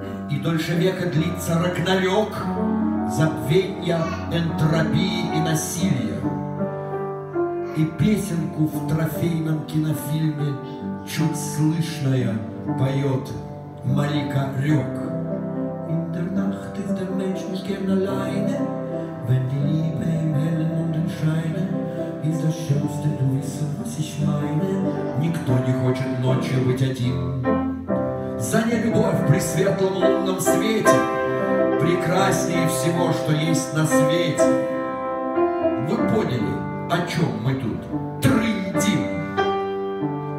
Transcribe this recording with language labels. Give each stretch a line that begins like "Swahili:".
Russian: И дольше века длится Рагнарёк, забвенья, энтропии и насилия. И песенку в трофейном кинофильме чуть слышная поет Малика Рёк.
German: In der Nacht ist der Mensch nicht gern alleine, wenn die Liebe im hellen Mondenscheine, ist das schönste, du wissen, was ich meine.
Russian: Никто не хочет ночью быть один. За ней любовь при светлом лунном свете, прекраснее всего, что есть на свете. Вы поняли, о чем мы тут трындим?